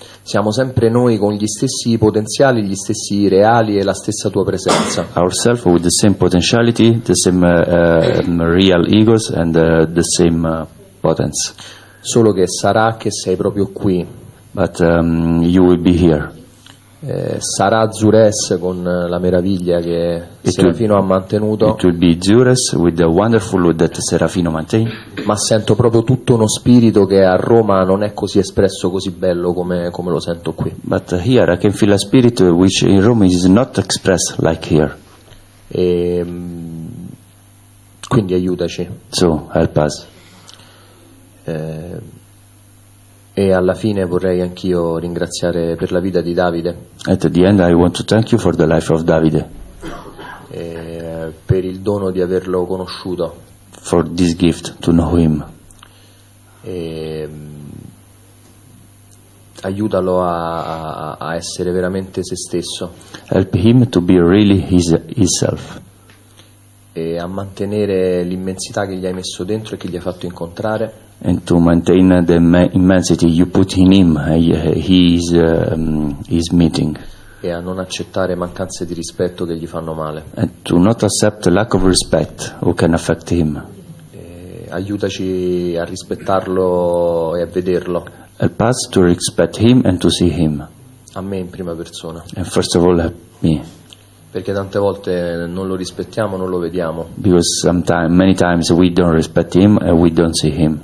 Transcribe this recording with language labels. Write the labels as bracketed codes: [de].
[it] siamo sempre noi con gli stessi potenziali, gli stessi reali e la stessa tua presenza. [en] Ourselves with the same potentiality, the same real egos and the same potence. [it] Solo che sarà che sei proprio qui. [en] But you will be here. [it] Sarà Zures con la meraviglia che Serafino ha mantenuto. [en] It will be Zures with the wonderful that Serafino maintained. [it] Ma sento proprio tutto uno spirito che a Roma non è così espresso, così bello come lo sento qui. [en] But here I can feel a spirit which in Rome is not expressed like here. [it] E, quindi aiutaci. [en] So help us. [it] E alla fine vorrei anch'io ringraziare per la vita di Davide. [en] At the end I want to thank you for the life of Davide. [it] E per il dono di averlo conosciuto. [en] For this gift to know him. [it] E aiutalo a essere veramente se stesso. [en] Help him to be really his self. [it] E a mantenere l'immensità che gli hai messo dentro e che gli hai fatto incontrare. [en] And to maintain the immensity you put in him, his meeting. [it] E a non accettare mancanze di rispetto che gli fanno male. [en] And to not accept lack of respect who can affect him. [it] E aiutaci a rispettarlo e a vederlo. [en] Help us to respect him and to see him. [it] A me in prima persona. [en] And first of all, me. [it] Perché tante volte non lo rispettiamo, non lo vediamo. [en] Because sometimes, many times we don't respect him and we don't see him.